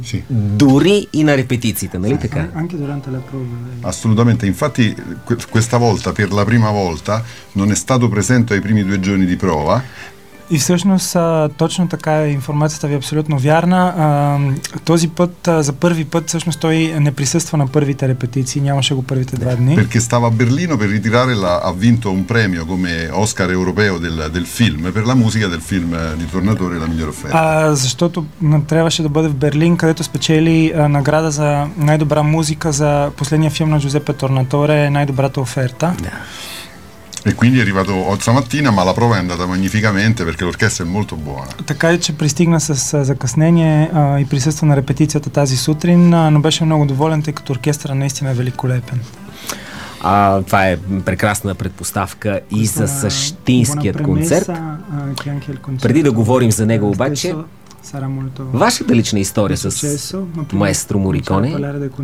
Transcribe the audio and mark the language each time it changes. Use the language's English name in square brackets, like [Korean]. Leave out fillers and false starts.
[Bulgarian] Дори и на репетициите, нали така? Абсолютно. [Italian] Infatti, questa volta, per la prima volta, non è stato presente ai primi due giorni di prova. [Bulgarian] И всъщност точно така е, информацията ви е абсолютно вярна. Този път, за първи път, всъщност той не присъства на първите репетиции, нямаше го първите два дни. [Italian] Perché stava a Berlino per ritirare la ha vinto un premio come Oscar europeo del film per la musica del film di Tornatore la migliore offerta. [Bulgarian] Защото трябваше да бъде в Берлин, където спечели награда за най-добра музика за последния филм на Джузепе Торнаторе, най-добрата оферта. [Italian] E quindi è arrivato stamattina, ma la prova è andata magnificamente perché l'orchestra è molto buona. [Bulgarian] Така че пристигна с закъснение и присъства на репетицията тази сутрин, но беше много доволен, тъй като оркестъра наистина е великолепен. Това е прекрасна предпоставка и за същинският концерт. Преди да говорим за него обаче, вашата лична история с маестро Мориконе.